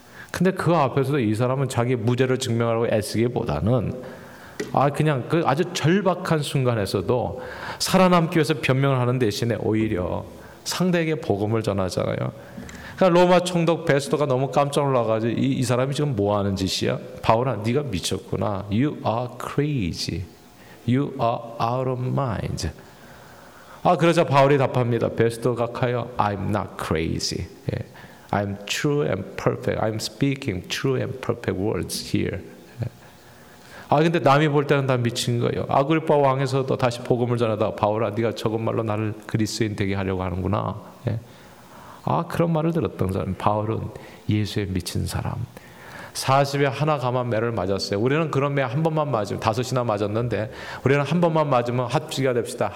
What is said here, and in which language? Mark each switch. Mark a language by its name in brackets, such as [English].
[Korean] 근데 그 앞에서도 이 사람은 자기 무죄를 증명하려고 애쓰기보다는 아 그냥 그 아주 절박한 순간에서도 살아남기 위해서 변명을 하는 대신에 오히려 상대에게 복음을 전하잖아요. 그러니까 로마 총독 베스도가 너무 깜짝 놀라가지고 이 사람이 지금 뭐 하는 짓이야? 바울아, 네가 미쳤구나. [English] You are crazy. You are out of mind. [Korean] 아 그러자 바울이 답합니다. 베스도 각하여, [English] I'm not crazy. I'm true and perfect. I'm speaking true and perfect words here. [Korean] 아 근데 남이 볼 때는 다 미친 거예요. 아그리파 왕에서도 다시 복음을 전하다가 바울아 네가 저것 말로 나를 그리스인 되게 하려고 하는구나. 예. 아 그런 말을 들었던 사람 바울은 예수에 미친 사람. 40에 하나 감한 매를 맞았어요. 우리는 그런 매 한 번만 맞으면 다섯이나 맞았는데 우리는 한 번만 맞으면 합지가 됩시다.